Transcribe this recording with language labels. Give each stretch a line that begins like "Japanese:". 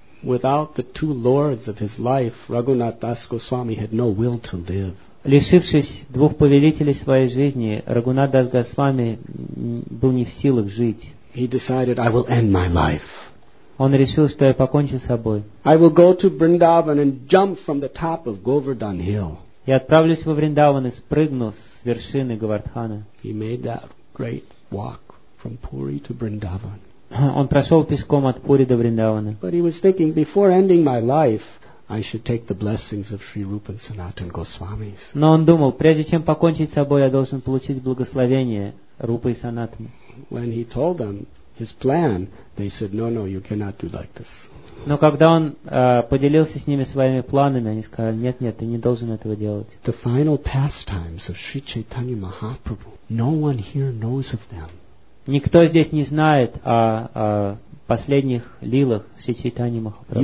English: Without the two lords of his life, Рагунат Дас Госвами had no will to live.
Russian: Лишившись двух повелителей своей жизни, Рагунат Дас Госвами был не в силах жить.
English: He decided, I will end my life.
Russian: Он решил, что я покончу с собой.
English: I will go to Vrindavan and jump from the top of Govardhan Hill.
Russian: Я отправлюсь во Вриндаван и спрыгну с вершины Говардхана.
English: He made that great walk from Puri to Vrindavan.
Russian: Он прошел пешком от Пури до Вриндавана.
English: But he was thinking, before ending my life, I should take the blessings of Sri Rupa and Sanatan Goswamis.
Russian: Но он думал, прежде чем покончить с собой, я должен получить благословение Рупы и Санатаны.
English: When he told them his plan, they said, "No, no, you cannot do like this."
Russian: Но когда он поделился с ними своими планами, они сказали: "Нет, нет, ты не должен этого делать."
English: The final pastimes of Sri Chaitanya Mahaprabhu, no one here knows of them.
Russian: Никто здесь не знает о последних лилах Шри Чайтаньи Махапрабху.